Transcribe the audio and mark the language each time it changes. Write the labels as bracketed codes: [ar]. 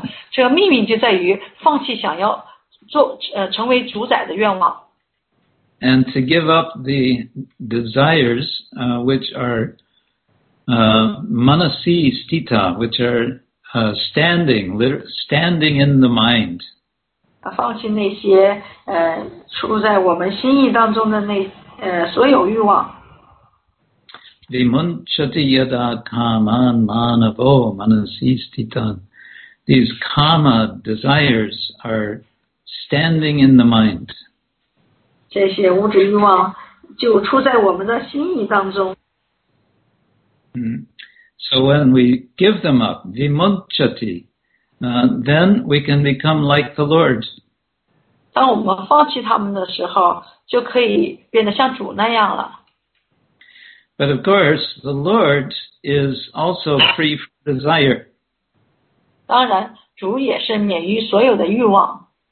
[zh] 这个秘密就在于放弃想要做成为主宰的愿望。 [en] And to give up the desires which are manasi sthita, which are standing in the mind. [zh] 放弃那些处在我们心意当中的那所有欲望。 [sa] vimunchati yada kaman manavo manasi sthitan. [en] These kama desires are standing in the mind. [zh] 这些物质欲望就出在我们的心意当中。 [en] So when we give them up, vimunchati, then we can become like the Lord. [zh] 当我们放弃他们的时候，就可以变得像主那样了。 [en] But of course, the Lord is also free from desire. [zh] 当然，主也是免于所有的欲望。